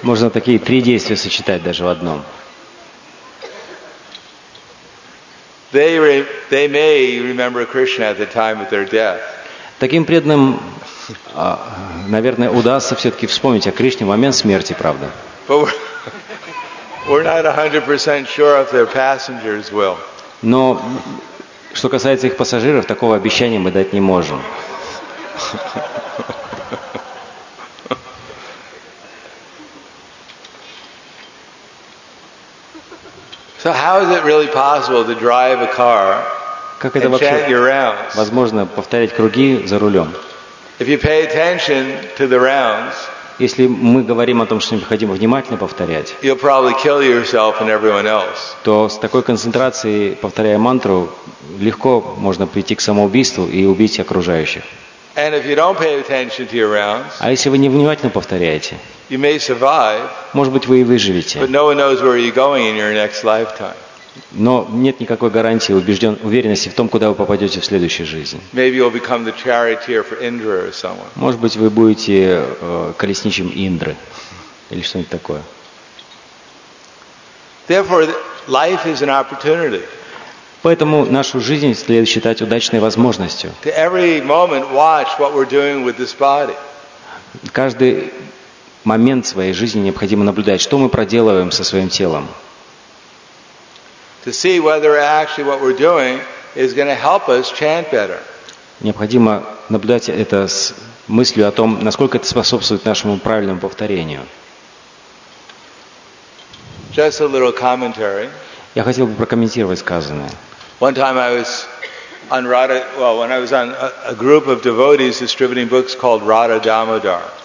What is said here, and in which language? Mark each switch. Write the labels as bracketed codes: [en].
[ru] Можно такие три действия сочетать даже в одном. [en] They may remember Krishna at the time of their death. [ru] Таким преданным, наверное, удастся все-таки вспомнить о Кришне в момент смерти, правда? [en] But we're not 100% sure if their passengers will. [ru] Но что касается их пассажиров, такого обещания мы дать не можем. [en] So how is it really possible to drive a car and chant your rounds? [ru] Возможно повторять круги за рулем? [en] If you pay attention to the rounds, [ru] если мы говорим о том, что необходимо внимательно повторять, [en] you'll probably kill yourself and everyone else. [ru] То с такой концентрацией, повторяя мантру, легко можно прийти к самоубийству и убить окружающих. [en] And if you don't pay attention to your rounds, [ru] а если вы невнимательно повторяете, [en] you may survive, [ru] может быть, вы и выживете. [en] But no one knows where you're going in your next lifetime. [ru] Но нет никакой гарантии, уверенности в том, куда вы попадете в следующей жизни. [en] Maybe you'll become the charioteer for Indra or someone. [ru] Может быть, вы будете колесничим Индры или что-нибудь такое. [en] Therefore, life is an opportunity. [ru] Поэтому нашу жизнь следует считать удачной возможностью. [en] To every moment watch what we're doing with this body. [ru] Каждый момент своей жизни необходимо наблюдать, что мы проделываем со своим телом. [en] To see whether actually what we're doing is going to help us chant better. [ru] Необходимо наблюдать это с мыслью о том, насколько это способствует нашему правильному повторению. [en] Just a little commentary. [ru] Я хотел бы прокомментировать сказанное. [en] One time I was on Radha, well, when I was on a group of devotees distributing books called Radha Damodar.